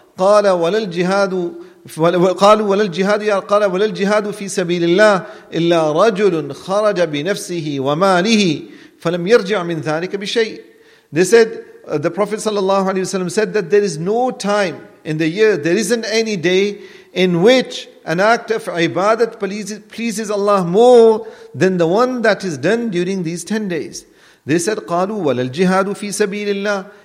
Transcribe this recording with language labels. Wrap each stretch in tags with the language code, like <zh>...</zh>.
<ar>قَالَ وَلَا الْجِهَادُ قالوا ولا الجهاد يا قال ولا الجهاد في سبيل الله إلا رجل خرج بنفسه وماله فلم يرجع من ذلك بشيء.</ar> <en>They said, the Prophet sallallahu alaihi wasallam said that there is no time in the year, there isn't any day in which an act of ibadat pleases Allah more than the one that is done during these 10 days. They said,</en> <ar>قالوا ولا الجهاد في سبيل الله.</ar>